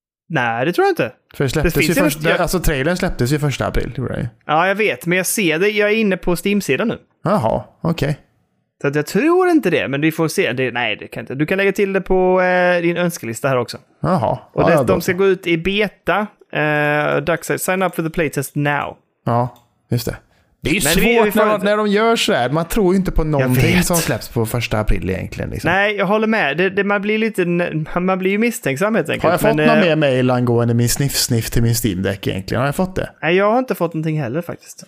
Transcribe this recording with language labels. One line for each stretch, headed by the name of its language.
Swedish: Nej, det tror jag inte. För trailern släpptes ju 1 april. Ja, jag vet. Men jag ser det. Jag är inne på Steam-sidan nu. Jaha, okej.
English: Okay.
Swedish: Så att jag tror inte det, men vi får se. Det kan inte. Du kan lägga till det på din önskelista här också. Jaha. Och de ska gå ut i beta.
English: Duckside, sign up for the playtest now.
Swedish: Ja, just det. Det är ju svårt när de gör så här. Man tror ju inte på någonting som släpps på 1 april egentligen. Liksom. Nej, jag håller med. Man blir ju misstänksam helt enkelt. Har jag fått någon mer mail angående min sniff till min Steam Deck egentligen? Har jag fått det? Nej, jag har inte fått någonting heller faktiskt.